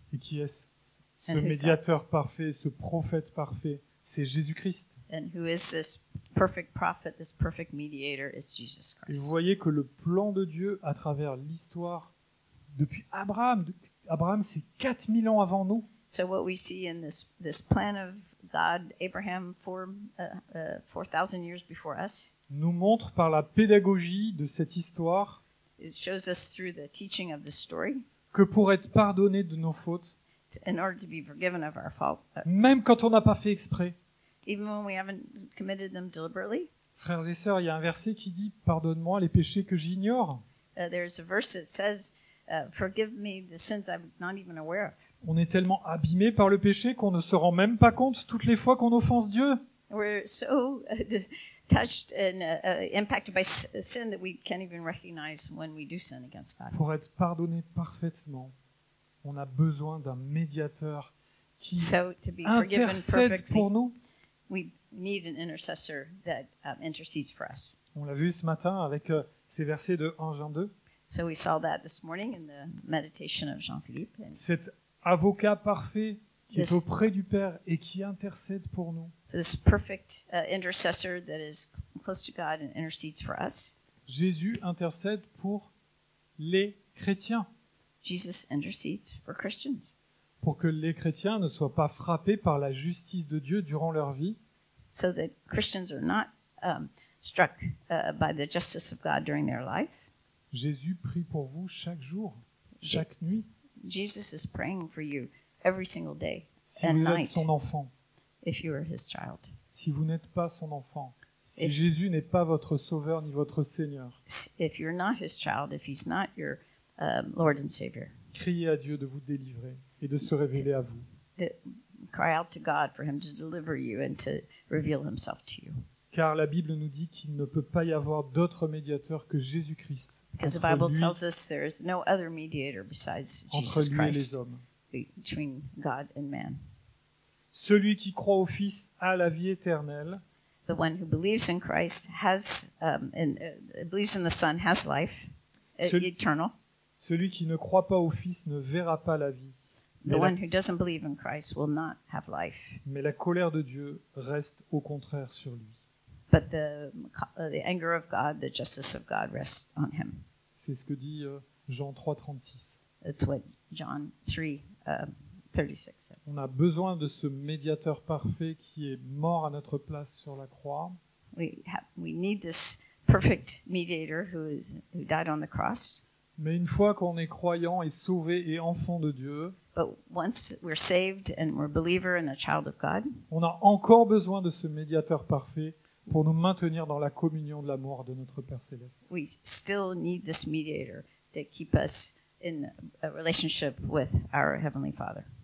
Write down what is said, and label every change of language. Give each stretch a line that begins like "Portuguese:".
French: Et qui est ce médiateur parfait, ce prophète parfait, c'est Jésus-Christ.
English: And who is this perfect prophet, this perfect mediator is Jesus Christ.
French: Et vous voyez que le plan de Dieu à travers l'histoire depuis Abraham c'est 4000 ans avant nous.
English: So what we see in this plan of God Abraham for 4000 years before us
French: nous montre par la pédagogie de cette histoire
English: it shows us through the teaching of the story
French: que pour être pardonné de nos fautes
English: in order to be forgiven of our fault
French: même quand on n'a pas fait exprès.
English: Even when we haven't committed them deliberately.
French: Frères et sœurs, il y a un verset qui dit « Pardonne-moi les péchés que j'ignore ».
English: There's a verse that says « Forgive me the sins I'm not even aware of ».
French: On est tellement abîmé par le péché qu'on ne se rend même pas compte toutes les fois qu'on offense Dieu.
English: We're so touched and impacted by sin that we can't even recognize when we do sin against God.
French: Pour être pardonné parfaitement, on a besoin d'un médiateur qui intercède pour nous.
English: We need an intercessor that intercedes for us.
French: On l'a vu ce matin avec ces versets de 1 Jean 2.
English: So we saw that this morning in the meditation of Jean-Philippe.
French: Cet avocat parfait qui est auprès du Père et qui intercède pour nous.
English: This perfect intercessor that is close to God and intercedes for us.
French: Jésus intercède pour les chrétiens.
English: Jesus intercedes for Christians.
French: Pour que les chrétiens ne soient pas frappés par la justice de Dieu durant leur vie.
English: So that Christians are not struck by the justice of God during their life.
French: Jésus prie pour vous chaque jour, chaque nuit.
English: Jesus is praying for you every single day
French: si
English: and night.
French: Si vous êtes son enfant.
English: If you are his child.
French: Si vous n'êtes pas son enfant. Si Jésus n'est pas votre sauveur ni votre Seigneur.
English: If you're not his child, if he's not your Lord and Savior.
French: Criez à Dieu de vous délivrer et de se révéler à vous.
English: Cry out to God for him to deliver you and to reveal himself to you.
French: Car la Bible nous dit qu'il ne peut pas y avoir d'autre médiateur que Jésus-Christ.
English: Because the Bible tells us there is no other mediator besides Jesus Christ. Between God and man.
French: Celui qui croit au Fils a la vie éternelle.
English: The one who believes in Christ has believes in the Son has life eternal.
French: Celui qui ne croit pas au Fils ne verra pas la vie.
English: The one who doesn't believe in Christ will not have life.
French: Mais la colère de Dieu reste au contraire sur lui.
English: But the anger of God, the justice of God rests on him.
French: C'est ce que dit Jean 3, 36.
English: That's what John 3:36 says.
French: On a besoin de ce médiateur parfait qui est mort à notre place sur la croix.
English: We need this perfect mediator who died on the cross.
French: Mais une fois qu'on est croyant et sauvé et enfant de Dieu,
English: but once we're saved and we're a believer and a child of God,
French: on a encore besoin de ce médiateur parfait pour nous maintenir dans la communion de l'amour de notre Père céleste.
English: We still need this mediator to keep us in a relationship with our heavenly Father.